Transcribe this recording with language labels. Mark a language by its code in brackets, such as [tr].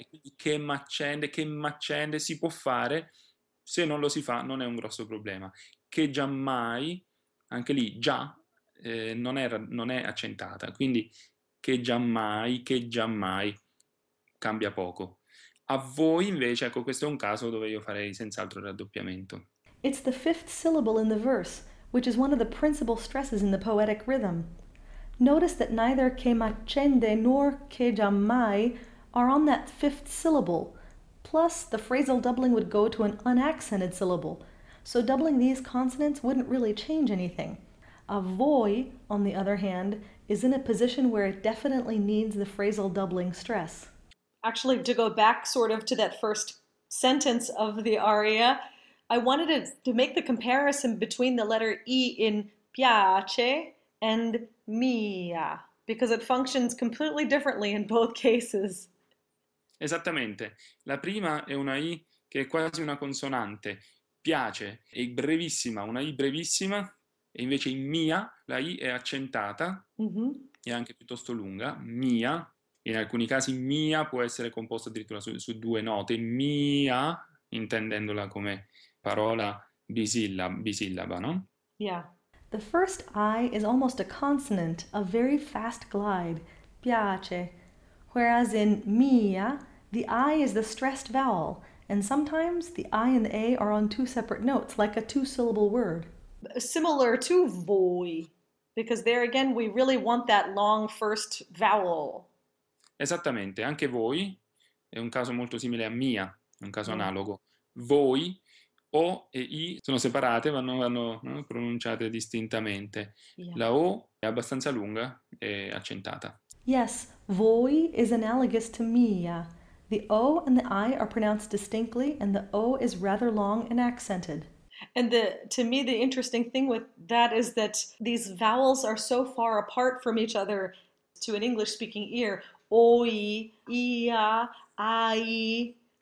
[it] E quindi che m'accende si può fare, se non lo si fa non è un grosso problema. Che giammai, anche lì già. Non è accentata, quindi che giammai cambia poco. A voi invece, ecco, questo è un caso dove io farei senz'altro il raddoppiamento. [en] It's the fifth syllable in the verse, which is one of the principal stresses in the poetic rhythm. Notice that neither [it] che m'accende [en] nor [it] che giammai [en] are on that fifth syllable. Plus, the phrasal doubling would go to an unaccented syllable, so doubling these consonants wouldn't really change anything. A voi, on the other hand, is in a position where it definitely needs the phrasal doubling stress. Actually, to go back sort of to that first sentence of the aria, I wanted to make the comparison between the letter E in piace and mia, because it functions completely differently in both cases. [it] Esattamente, la prima è una I che è quasi una consonante, piace, è brevissima, una I brevissima, e invece in mia la I è accentata e anche piuttosto lunga, mia, in alcuni casi mia può essere composta addirittura su due note, mia, intendendola come parola bisillaba, no? [en] The first I is almost a consonant, a very fast glide, piace. Whereas in mia, the I is the stressed vowel, and sometimes the I and the A are on two separate notes, like a two-syllable word. Similar to voi, because there again we really want that long first vowel. [it] Esattamente, anche voi è un caso molto simile a mia, è un caso analogo. Voi, O e I sono separate, ma non vanno pronunciate distintamente. La O è abbastanza lunga e accentata. [en] Yes, voi is analogous to mia. The O and the I are pronounced distinctly, and the O is rather long and accented. And to me, the interesting thing with that is that these vowels are so far apart from each other to an English-speaking ear. Oi, ia, ai.